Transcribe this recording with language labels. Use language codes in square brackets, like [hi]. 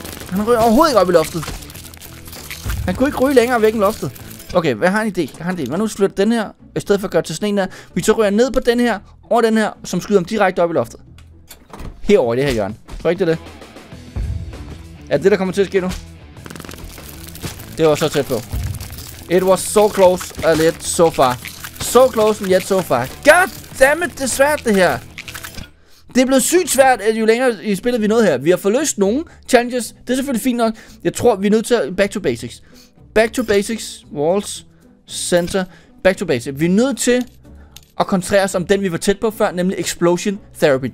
[da] Han ryger overhovedet ikke op i loftet. Han kunne ikke ryge længere væk end loftet. Okay, hvad har han i det? Hvad nu flytter den her, i stedet for at gøre til sådan en der? Vi så ryger ned på den her, over den her, som skyder ham direkte op i loftet. Herover i det her hjørne. Tror ikke, det er det? Er det, der kommer til at ske nu? Det var så tæt på. [en] It was so close, and yet so far. So close, and yet so far. God damn it, [da] det er svært det her. Det er blevet sygt svært, at jo længere i spillet vi nåede her. Vi har forløst nogle challenges. Det er selvfølgelig fint nok. Jeg tror, vi er nødt til at... [en] Back to basics. Walls. Center. Back to basics. [da] Vi er nødt til at koncentrere os om den, vi var tæt på før. Nemlig Explosion Therapy.